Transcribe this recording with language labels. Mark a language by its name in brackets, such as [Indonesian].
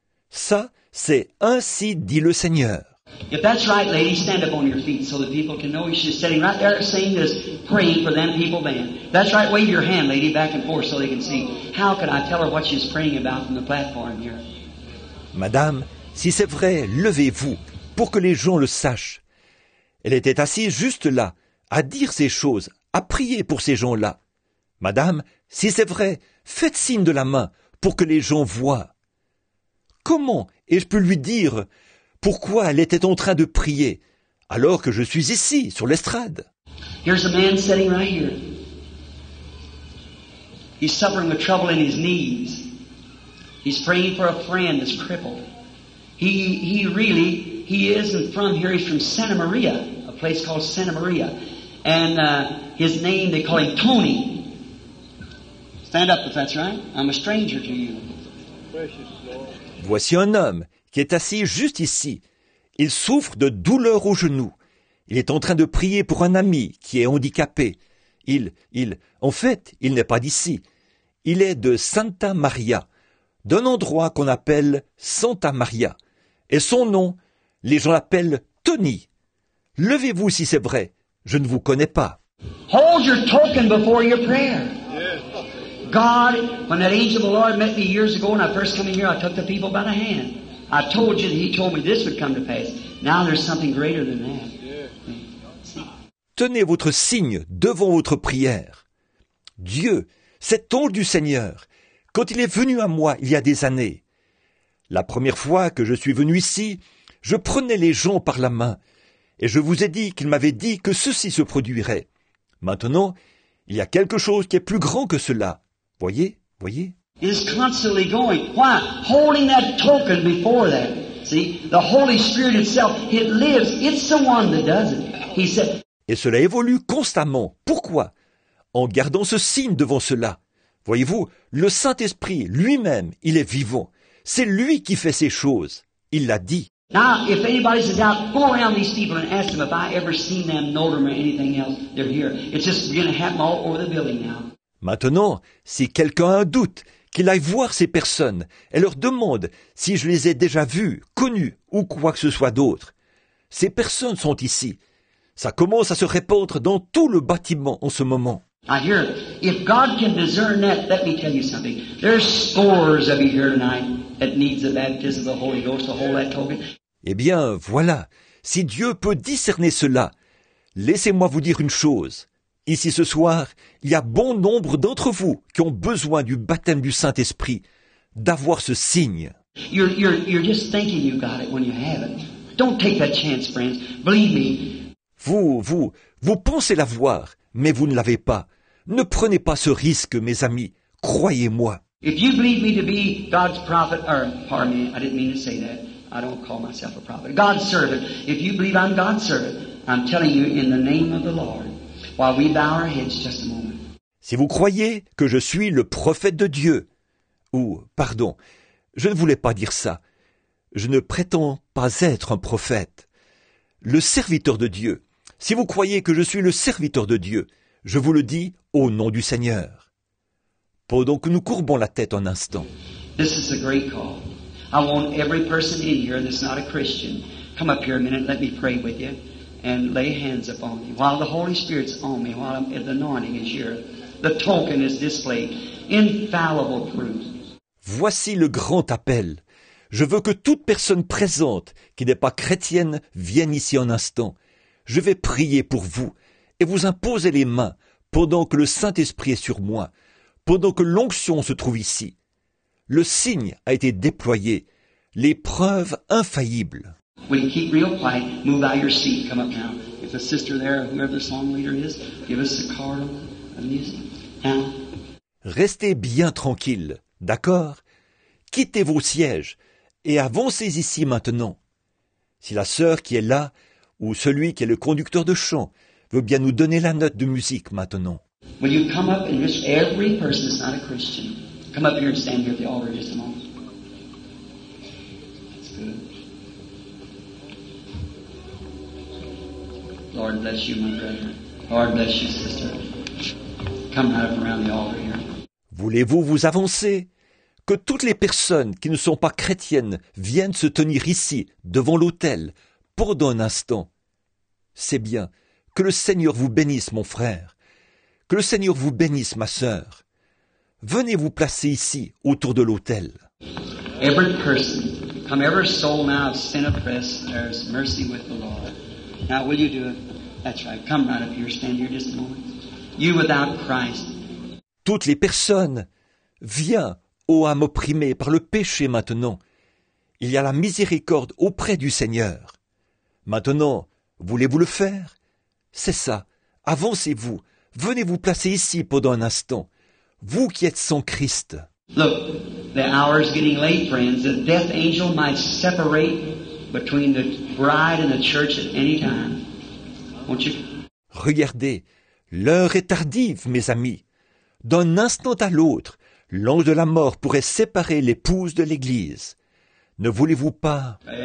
[French] Ça, c'est ainsi dit le Seigneur. [English] If that's right, lady, stand up on your feet so that people can know you. She's sitting right there saying this, praying for them people band. That's right, wave your hand, lady, back and forth so they can see. How could I tell her what she's praying about from the platform here? [French] Madame, si c'est vrai, levez-vous pour que les gens le sachent. Elle était assise juste là, à dire ces choses, à prier pour ces gens-là. Madame, si c'est vrai, faites signe de la main pour que les gens voient. Comment ai-je pu lui dire pourquoi elle était en train de prier, alors que je suis ici, sur l'estrade? [English] Here's a man sitting right here. He's suffering with trouble in his knees. He's praying for a friend that's crippled. He isn't from here. He's from Santa Maria, a place called Santa Maria. And his name, they call him Tony. Stand up if that's right. I'm a stranger to you. [French] Voici un homme qui est assis juste ici. Il souffre de douleurs au genou. Il est en train de prier pour un ami qui est handicapé. En fait, il n'est pas d'ici. Il est de Santa Maria, d'un endroit qu'on appelle Santa Maria. Et son nom, les gens l'appellent Tony. Levez-vous si c'est vrai. Je ne vous connais pas. [English] Hold your token before your prayer. God, when that angel of the Lord met me years ago when I first came here, I took the people by the hand. I told you that he told me this would come to pass. Now there's something greater than that. Yeah. [French] Tenez votre signe devant votre prière. Dieu, cet ange du Seigneur, quand il est venu à moi il y a des années, la première fois que je suis venu ici, je prenais les gens par la main et je vous ai dit qu'il m'avait dit que ceci se produirait. Maintenant, il y a quelque chose qui est plus grand que cela. Voyez. [English] Is constantly going. Why? Holding that token before that. See, the Holy Spirit itself, it lives. It's the one that does it. He said. [French] Et cela évolue constamment. Pourquoi? En gardant ce signe devant cela. Voyez-vous, le Saint-Esprit lui-même, il est vivant. C'est lui qui fait ces choses. Il l'a dit. [English] Now, if anybody's in doubt, go around these people and ask them if I ever seen them, know them or anything else. They're here. It's just going to happen all over the building now. [French] Maintenant, si quelqu'un a un doute, qu'il aille voir ces personnes et leur demande si je les ai déjà vues, connues ou quoi que ce soit d'autre. Ces personnes sont ici. Ça commence à se répandre dans tout le bâtiment en ce moment. [English] I hear it. If God can discern that, let me tell you something. There's scores of you here tonight that needs the baptism of the Holy Ghost to hold that token. [French] Eh bien, voilà. Si Dieu peut discerner cela, laissez-moi vous dire une chose. Ici ce soir, il y a bon nombre d'entre vous qui ont besoin du baptême du Saint-Esprit, d'avoir ce signe. [English] You're just thinking you got it when you have it. Don't take that chance, friends. Believe me. [French] Vous pensez l'avoir, mais vous ne l'avez pas. Ne prenez pas ce risque, mes amis. Croyez-moi. [English] If you believe me to be God's prophet, or pardon me, I didn't mean to say that. I don't call myself a prophet. God's servant. If you believe I'm God's servant, I'm telling you in the name of the Lord. While we bow our heads just a moment. [French] Si vous croyez que je suis le prophète de Dieu, ou, pardon, je ne voulais pas dire ça, je ne prétends pas être un prophète, le serviteur de Dieu, si vous croyez que je suis le serviteur de Dieu, je vous le dis au nom du Seigneur. Pendant que nous courbons la tête un instant. [English] This is a great call. I want every person in here that's not a Christian, come up here a minute, let me pray with you. and lay hands upon you. While the Holy Spirit's on me, while the anointing is here, the token is displayed. Infallible proof. [French] Voici le grand appel. Je veux que toute personne présente qui n'est pas chrétienne vienne ici un instant. Je vais prier pour vous et vous imposer les mains pendant que le Saint-Esprit est sur moi, pendant que l'onction se trouve ici. Le signe a été déployé, les preuves infaillibles. [English] We keep real quiet. Move out your seat. Come up now. If a sister there, whoever the song leader is, give us a card of music. Now. [French] Restez bien tranquille, d'accord? Quittez vos sièges et avancez ici maintenant. Si la sœur qui est là, ou celui qui est le conducteur de chant, veut bien nous donner la note de musique maintenant. [English] Will you come up and just every person that's not a Christian, come up here and stand here at the altar just a moment. That's good. Lord bless you, my brother. Lord bless you, sister. Come right up around the altar here. [French] Voulez-vous vous avancer? Que toutes les personnes qui ne sont pas chrétiennes viennent se tenir ici, devant l'autel, pendant un instant. C'est bien. Que le Seigneur vous bénisse, mon frère. Que le Seigneur vous bénisse, ma sœur. Venez vous placer ici, autour de l'autel. [English] Every person, come every soul now of sin oppressed, there is mercy with the Lord. Now will you do it? That's right. Come right up here, stand here just a moment. You without Christ. [French] Toutes les personnes, viens, ô âme opprimée par le péché maintenant. Il y a la miséricorde auprès du Seigneur. Maintenant, voulez-vous le faire? C'est ça, avancez-vous, venez vous placer ici pendant un instant, vous qui êtes sans Christ. [English] Look, the hour is getting late, friends. The death angel might separate between the bride and the church at any time. Won't you? [French] Regardez, l'heure est tardive, mes amis. D'un instant à l'autre, l'ange de la mort pourrait séparer l'épouse de l'Église. Ne voulez-vous pas?